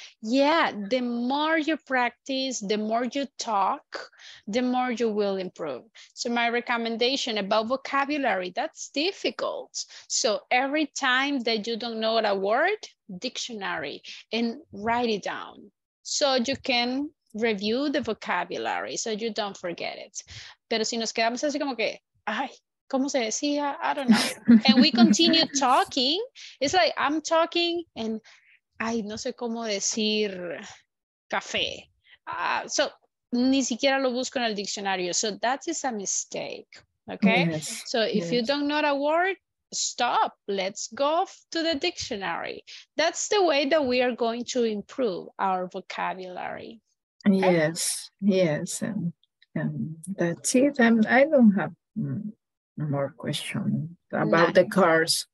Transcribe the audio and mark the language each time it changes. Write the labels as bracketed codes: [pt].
[en] Yeah, the more you practice, the more you talk, the more you will improve. So my recommendation about vocabulary, that's difficult. So every time that you don't know a word, dictionary, and write it down. So you can review the vocabulary so you don't forget it. [es] Pero si nos quedamos así como que, ay, ¿cómo se decía? [en] I don't know. And we continue talking. It's like I'm talking and, ay, [es] no sé cómo decir café. So ni siquiera lo busco en el diccionario. [en] So that is a mistake, okay? Yes. So if yes. you don't know a word, stop, let's go to the dictionary. That's the way that we are going to improve our vocabulary. Yes, yes. And that's it. I don't have more questions about the course.